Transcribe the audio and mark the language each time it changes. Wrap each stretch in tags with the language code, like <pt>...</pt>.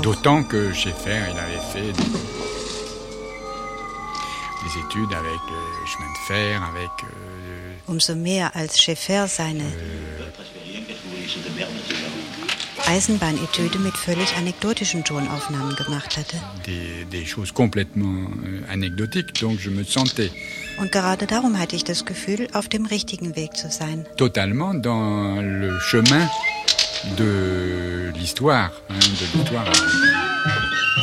<fr>D'autant que Schaeffer, il avait fait des études avec le chemin de fer, avec...</fr> <de>Umso mehr als Schaeffer seine Eisenbahn-Etüde mit völlig anekdotischen Tonaufnahmen gemacht hatte.</de> <fr>Des choses complètement anecdotiques, donc je me sentais.</fr> <de>Und gerade darum hatte ich das Gefühl, auf dem richtigen Weg zu sein.</de> <fr>Totalement dans le chemin de l'histoire, hein, de l'histoire.</fr>